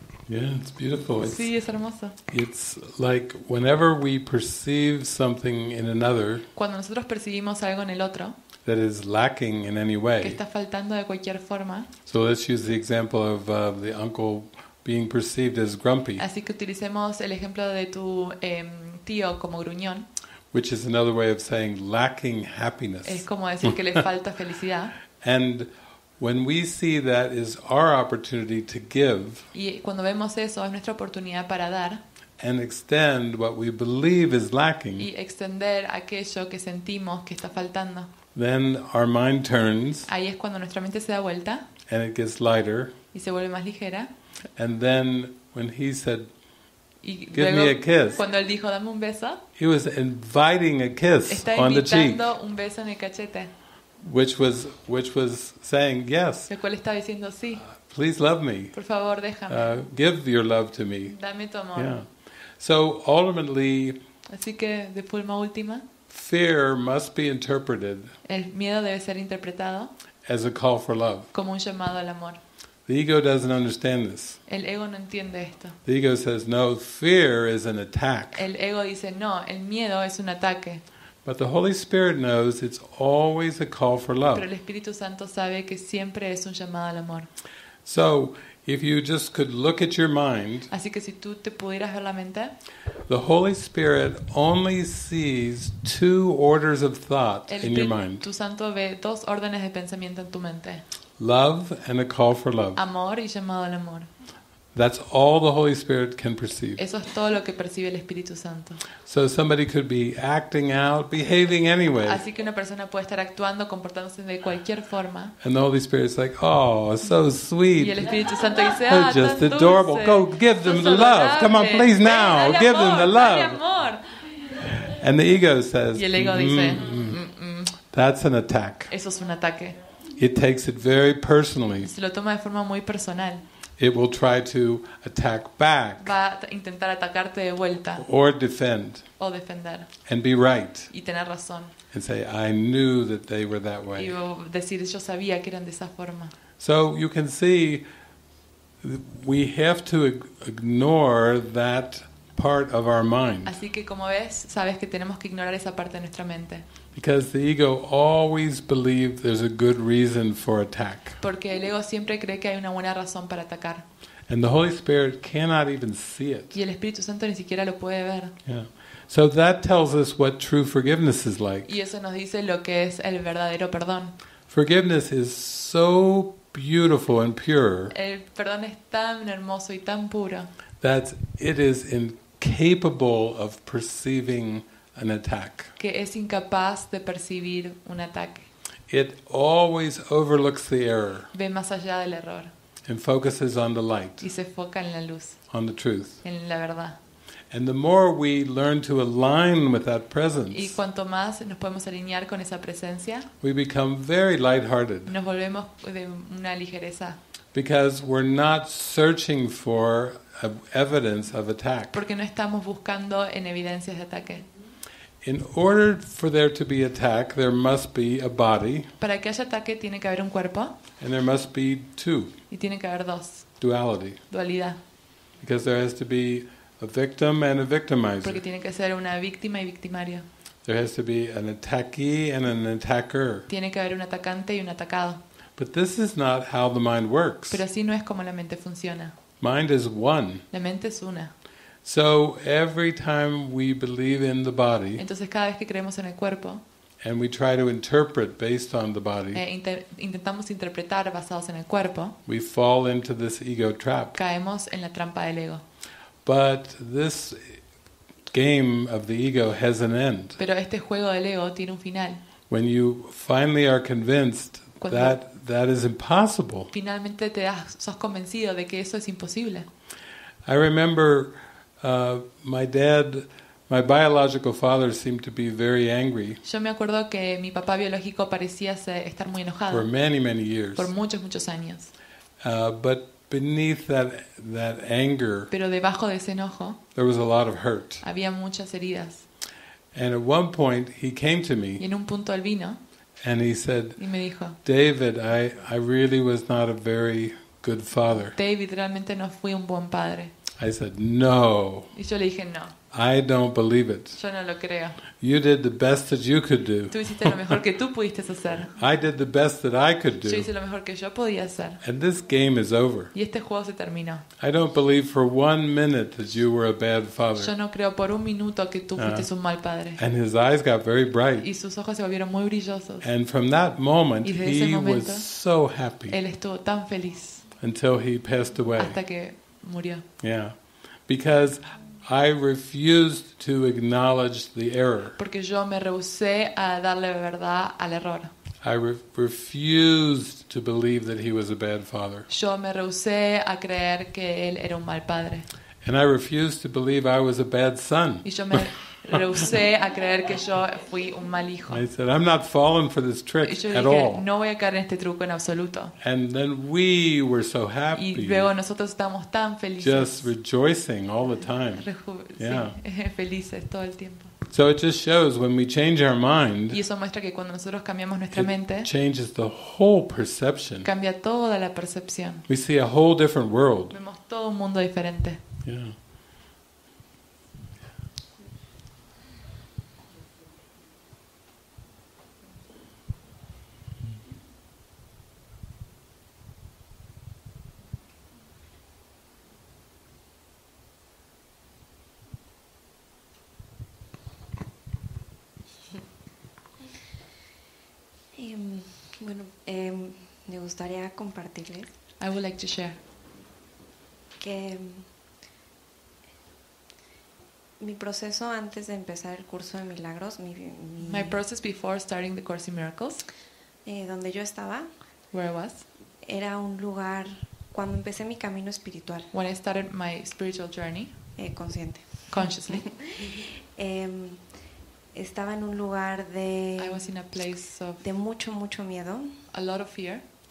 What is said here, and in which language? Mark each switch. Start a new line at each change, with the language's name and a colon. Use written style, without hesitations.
English: Yeah, it's beautiful. It's,
Spanish: sí, es hermoso.
English: It's like whenever we perceive something in another.
Spanish: Cuando nosotros percibimos algo en el otro.
English: That is lacking in any way.
Spanish: Que está faltando de cualquier forma.
English: So let's use the example of the uncle being perceived as grumpy.
Spanish: Así que utilicemos el ejemplo de tu tío como gruñón.
English: Which is another way of saying lacking happiness.
Spanish: Es como decir que le falta felicidad.
English: And when we see that is our opportunity to give.
Spanish: Y cuando vemos eso es nuestra oportunidad para dar.
English: And extend what we believe is lacking.
Spanish: Y extender aquello que sentimos que está faltando.
English: Then our mind turns.
Spanish: Ahí es cuando nuestra mente se da vuelta.
English: And it gets lighter.
Spanish: Y se vuelve más ligera.
English: And then when he said, "Give
Spanish: luego,
English: me a kiss,"
Spanish: cuando él dijo, "Dame un beso,"
English: he was inviting a kiss
Spanish: está
English: on the cheek.
Spanish: Está invitando un beso en el cachete.
English: Which was saying yes.
Spanish: El cual estaba diciendo sí.
English: Please love me.
Spanish: Por favor, déjame.
English: Give your love to me.
Spanish: Dame tu amor.
English: Yeah. So ultimately.
Spanish: Así que de forma última.
English: Fear must be interpreted.
Spanish: El miedo debe ser interpretado.
English: As a call for love.
Spanish: Como un llamado al amor.
English: The ego doesn't understand this.
Spanish: El ego no entiende esto.
English: The ego says no, fear is an attack.
Spanish: El ego dice no, el miedo es un ataque.
English: But the Holy Spirit knows it's always a call for love.
Spanish: Pero el Espíritu Santo sabe que siempre es un llamado al amor.
English: So, if you just could look at your mind.
Spanish: Así que si tú te pudieras ver la mente.
English: The Holy Spirit only sees two orders of thought in your mind.
Spanish: El Espíritu Santo ve dos órdenes de pensamiento en tu mente.
English: Love and a call for love.
Spanish: Amor y llamado al amor.
English: That's all the Holy Spirit can perceive.
Spanish: Eso es todo lo que percibe el Espíritu Santo.
English: So somebody could be acting out, behaving anyway.
Spanish: Así que una persona puede estar actuando, comportándose de cualquier forma.
English: And the Holy Spirit's like, oh, so sweet.
Spanish: Y el Espíritu Santo dice, ah, tan dulce.
English: Just adorable. Go give them the love. Come on, please now.
Spanish: Dale,
English: give
Spanish: amor,
English: them the love.
Spanish: Dale, amor.
English: And the ego says,
Spanish: y el ego dice,
English: that's an attack.
Spanish: Eso es un ataque.
English: It takes it very personally.
Spanish: Se lo toma de forma muy personal.
English: It will try to attack back.
Spanish: Va a intentar atacarte de vuelta.
English: Or defend.
Spanish: O defender.
English: And be right.
Spanish: Y tener razón.
English: And say, I knew that they were that way.
Spanish: Y decir, yo sabía que eran de esa forma.
English: So you can see, we have to ignore that part of our mind.
Spanish: Así que como ves, sabes que tenemos que ignorar esa parte de nuestra mente.
English: Because the ego always believes there's a good reason for attack.
Spanish: Porque el ego siempre cree que hay una buena razón para atacar.
English: And the Holy Spirit cannot even see it.
Spanish: Y el Espíritu Santo ni siquiera lo puede ver.
English: Yeah. So that tells us what true forgiveness is like.
Spanish: Y eso nos dice lo que es el verdadero perdón.
English: Forgiveness is so beautiful and pure.
Spanish: El perdón es tan hermoso y tan puro.
English: That it is incapable of perceiving an attack.
Spanish: Que es incapaz de percibir un ataque.
English: It always overlooks the error.
Spanish: Ve más allá del error.
English: And focuses on the light.
Spanish: Y se enfoca en la luz.
English: On the truth.
Spanish: En la verdad.
English: And the more we learn to align with that presence.
Spanish: Y cuanto más nos podemos alinear con esa presencia.
English: We become very lighthearted.
Spanish: Nos volvemos de una ligereza.
English: Because we're not searching for evidence of attack.
Spanish: Porque no estamos buscando en evidencias de ataque.
English: In order for there to be attack, there must be a body.
Spanish: Para que haya ataque tiene que haber un cuerpo.
English: And there must be two.
Spanish: Y tiene que haber dos.
English: Duality.
Spanish: Dualidad.
English: Because there has to be a victim and a victimizer.
Spanish: Porque tiene que ser una víctima y victimario.
English: There has to be an attackee and an attacker.
Spanish: Tiene que haber un atacante y un atacado.
English: But this is not how the mind works.
Spanish: Pero así no es como la mente funciona.
English: Mind is one.
Spanish: La mente es una.
English: So every time we believe in the body,
Spanish: entonces cada vez que creemos en el cuerpo,
English: and we try to interpret based on the body,
Spanish: intentamos interpretar basados en el cuerpo,
English: we fall into this ego trap.
Spanish: Caemos en la trampa del ego.
English: But this game of the ego has an end.
Spanish: Pero este juego del ego tiene un final.
English: When you finally are convinced that is impossible,
Spanish: finalmente te das, sos convencido de que eso es imposible.
English: I remember. My biological father seemed to be very angry.
Spanish: Yo me acuerdo que mi papá biológico parecía estar muy enojado.
English: For many, many years.
Spanish: Por muchos, muchos años.
English: But beneath that anger.
Spanish: Pero debajo de ese enojo.
English: There was a lot of hurt.
Spanish: Había muchas heridas.
English: And at one point he came to me.
Spanish: Y en un punto él vino.
English: And he said.
Spanish: Y me dijo.
English: David, I really was not a very good father.
Spanish: David, realmente no fui un buen padre.
English: I said no.
Spanish: Y yo le dije no.
English: I don't believe it.
Spanish: Yo no lo creo.
English: You did the best that you could do.
Spanish: Tú hiciste lo mejor que tú pudiste hacer.
English: I did the best that I could do.
Spanish: Yo hice lo mejor que yo podía hacer.
English: And this game is over.
Spanish: Y este juego se terminó.
English: I don't believe for one minute that you were a bad father.
Spanish: Yo no creo por un minuto que tú fuiste un mal padre.
English: And his eyes got very bright.
Spanish: Y sus ojos se volvieron muy brillosos.
English: And from that moment, he was so happy.
Spanish: Él estuvo tan feliz.
English: Until he passed away.
Spanish: Hasta que murió.
English: Yeah, because I refused to acknowledge the error.
Spanish: Porque yo me rehusé a darle verdad al error.
English: I refused to believe that he was a bad father.
Spanish: Yo me rehusé a creer que él era un mal padre.
English: And I refused to believe I was a bad son.
Spanish: Y yo me rehusé a creer que yo fui un mal hijo.
English: I said, I'm not falling for this trick at all.
Spanish: No voy a caer en este truco en absoluto.
English: And then we were so happy.
Spanish: Y luego nosotros estamos tan felices.
English: Just rejoicing all the time.
Spanish: Felices todo el tiempo.
English: So it just shows when we change our mind.
Spanish: Y eso muestra que cuando nosotros cambiamos nuestra mente.
English: It changes the whole perception.
Spanish: Cambia toda la percepción.
English: We see a whole different world.
Spanish: Vemos todo un mundo diferente.
English: Yeah.
Spanish: Bueno, me gustaría compartirles.
English: I would like to share.
Spanish: Que mi proceso antes de empezar el curso de milagros,
English: my process before starting the Course in Miracles,
Spanish: donde yo estaba,
English: where I was,
Spanish: era un lugar cuando empecé mi camino espiritual.
English: When I started my spiritual journey,
Spanish: consciente.
English: Consciously.
Spanish: Estaba en un lugar de
English: I was in a place of
Spanish: de mucho mucho miedo,
English: a lot of fear,